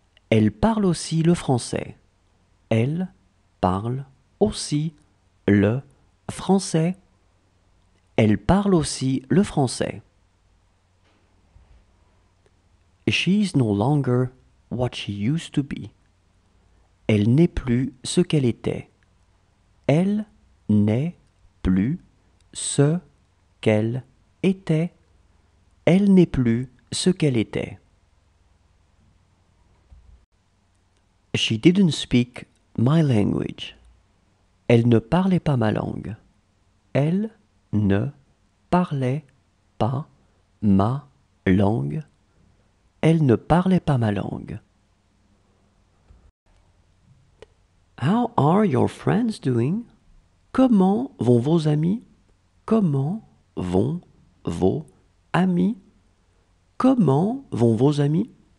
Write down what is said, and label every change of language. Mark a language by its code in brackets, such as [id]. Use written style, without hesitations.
[fr] Elle parle aussi le français. Elle parle aussi le français. Elle parle aussi le français. [en] She's no longer what she used to be. [fr] Elle n'est plus ce qu'elle était. Elle n'est plus ce qu'elle était. Elle n'est plus ce qu'elle était. [en] She didn't speak my language. [fr] Elle ne parlait pas ma langue. Elle ne parlait pas ma langue. Elle ne parlait pas ma langue. [en] How are your friends doing? [fr] Comment vont vos amis? Comment vont vos amis? Comment vont vos amis?